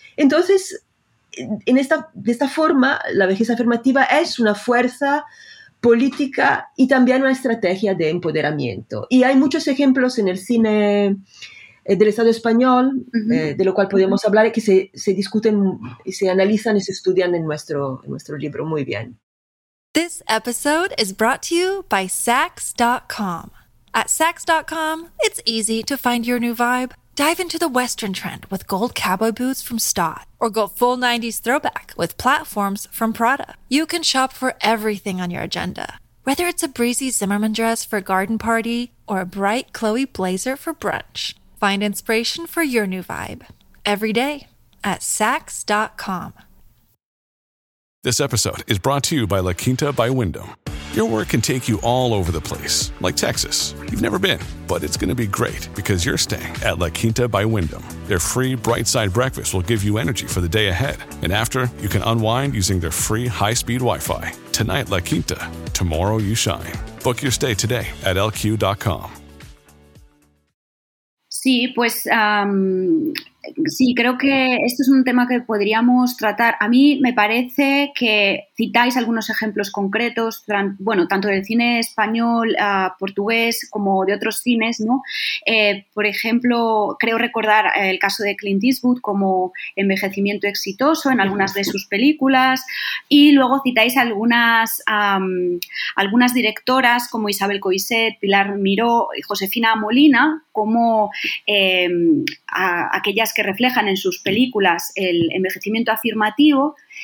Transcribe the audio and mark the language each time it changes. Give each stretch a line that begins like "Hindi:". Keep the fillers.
Spanish: Entonces, en esta, de esta forma, la vejez afirmativa es una fuerza política y también una estrategia de empoderamiento. Y hay muchos ejemplos en el cine eh, del Estado español, uh -huh. eh, de lo cual podemos hablar y que se, se, discuten y se analizan y se estudian en nuestro, en nuestro, libro muy bien.
English: This episode is brought to you by Sax.com. At Sax.com, it's easy to find your new vibe. Dive into the Western trend with gold cowboy boots from Stott, or go full 90s throwback with platforms from Prada. You can shop for everything on your agenda, whether it's a breezy Zimmerman dress for a garden party or a bright Chloe blazer for brunch. Find inspiration for your new vibe every day at Saks.com. This episode is brought to you by La Quinta by Wyndham. Your work can take you all over the place, like Texas. You've never been, but it's going to be great because you're staying at La Quinta by Wyndham. Their free bright side breakfast will give you energy for the day ahead. And after, you can unwind using their free high speed Wi Fi. Tonight, La Quinta. Tomorrow, you shine. Book your stay today at lq.com.
Spanish: Sí, pues, um... Sí, creo que esto es un tema que podríamos tratar. A mí me parece que citáis algunos ejemplos concretos, bueno, tanto del cine español, uh, portugués, como de otros cines, ¿no? eh, por ejemplo, creo recordar el caso de Clint Eastwood como envejecimiento exitoso en algunas de sus películas, y luego citáis algunas, um, algunas directoras como Isabel Coiset, Pilar Miró y Josefina Molina como eh, aquellas que reflejan en sus películas el envejecimiento afirmativo,